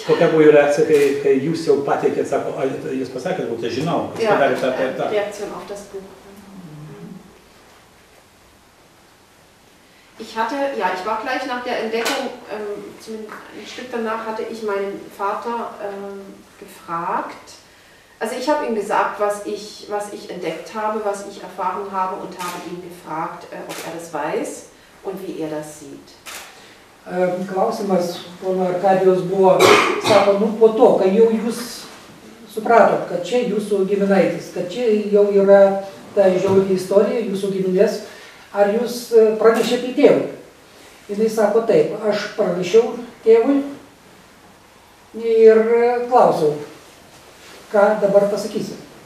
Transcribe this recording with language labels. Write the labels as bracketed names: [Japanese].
[Lithuanian] Kokia buvo reakcija, kai jūs jau pateikėt, sako, jūs pasakėt, kokia žinau, jūs padarėt tą. [German] Ja, reakcija auf das Buch. Ich hatte, ja, ich war gleich nach der Entdeckung, ein Stück danach hatte ich meinen Vater gefragt. Also ich habe ihm gesagt, was ich entdeckt habe, was ich erfahren habe und habe ihn gefragt, ob er das weiß und wie er das sieht. [Lithuanian] Klausimas pono Arkadijos buvo, sako, nu po to, kai jau jūs supratot, kad čia jūsų giminaitis, kad čia jau yra ta žiauri istorija, jūsų giminės, ar jūs pranešėt į tėvų? Jis sako, taip, aš pranešiau tėvui ir klausiau, ką dabar pasakysiu.